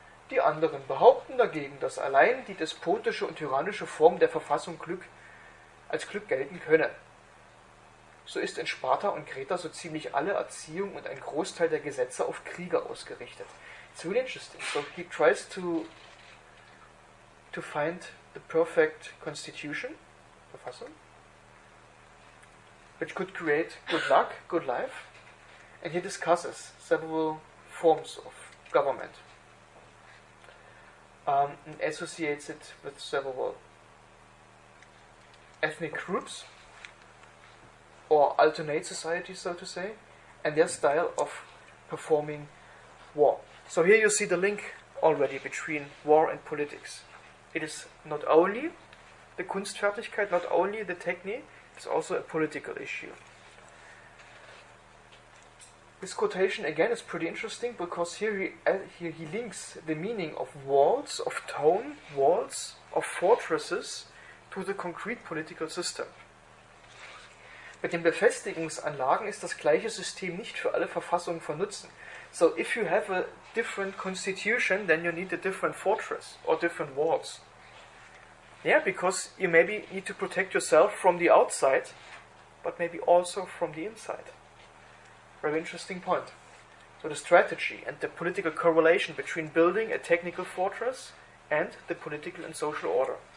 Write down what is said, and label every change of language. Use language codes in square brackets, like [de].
[de] Die anderen behaupten dagegen, dass allein die despotische und tyrannische Form der Verfassung Glück als Glück gelten könne. So ist in Sparta und Kreta so ziemlich alle Erziehung und ein Großteil der Gesetze auf Krieger ausgerichtet. [en] It's really interesting. So he tries to find the perfect constitution, Verfassung, which could create good luck, good life, and he discusses several forms of government and associates it with several ethnic groups, or alternate societies, so to say, and their style of performing war. So here you see the link already between war and politics. It is not only the Kunstfertigkeit, not only the technique, it's also a political issue. This quotation, again, is pretty interesting, because here he links the meaning of walls, of town, walls, of fortresses, to the concrete political system. [de] Mit den Befestigungsanlagen ist das gleiche System nicht für alle Verfassungen von Nutzen. [en] So if you have a different constitution, then you need a different fortress or different walls. Yeah, because you maybe need to protect yourself from the outside, but maybe also from the inside. Very interesting point. So the strategy and the political correlation between building a technical fortress and the political and social order.